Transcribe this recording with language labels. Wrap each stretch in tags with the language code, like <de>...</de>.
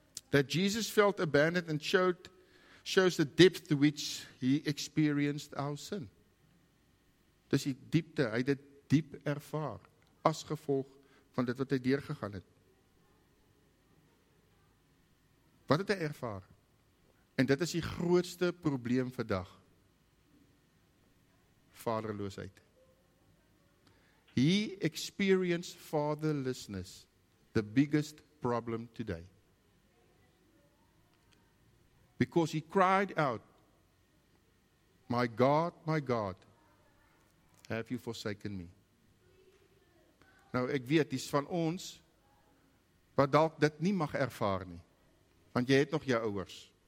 <en>That Jesus felt abandoned and shows the depth to which he experienced our sin.</en> <af>Dis die diepte, hy het dit diep ervaar as gevolg van dit wat hy deurgegaan het. Wat het hy ervaar? En dit is die grootste probleem vandag. Vaderloosheid.</af> <en>He experienced fatherlessness, the biggest problem today. Because he cried out, my God, have you forsaken me?</en> <af>Nou, ek weet, dis van ons, wat dalk dit nie mag ervaar nie, want jy het nog jou ouers.</af>